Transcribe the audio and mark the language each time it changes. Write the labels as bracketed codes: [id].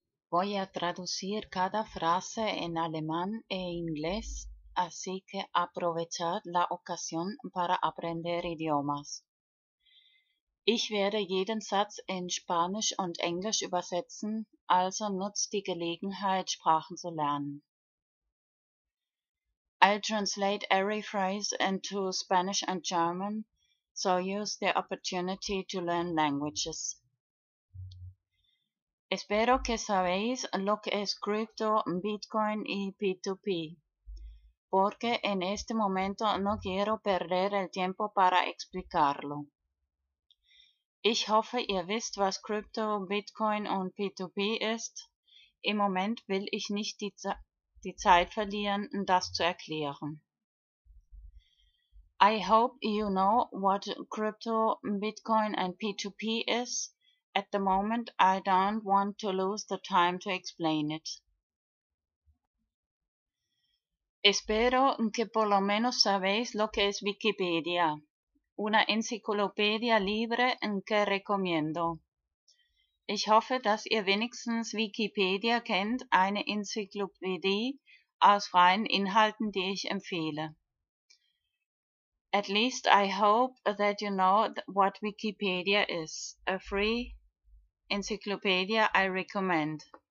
[es] Voy a traducir cada frase en alemán e inglés, así que aprovechad la ocasión para aprender idiomas. [de] Ich werde jeden Satz en Spanisch und Englisch übersetzen, also nutzt die Gelegenheit, Sprachen zu lernen. [en] I'll translate every phrase into Spanish and German, so use the opportunity to learn languages. [es] Espero que sabéis lo que es cripto, Bitcoin y P2P, porque en este momento no quiero perder el tiempo para explicarlo. [de] Ich hoffe, ihr wisst, was Krypto, Bitcoin und P2P ist. Im Moment will ich nicht die Zeit verlieren, das zu erklären. [en] I hope you know what Krypto, Bitcoin and P2P is. At the moment, I don't want to lose the time to explain it. [es] Espero que por lo menos sabéis lo que es Wikipedia, una enciclopedia libre que recomiendo. [de] Ich hoffe, dass ihr wenigstens Wikipedia kennt, eine Enzyklopädie aus freien Inhalten, die ich empfehle. [en] At least I hope that you know what Wikipedia is, a free encyclopedia I recommend.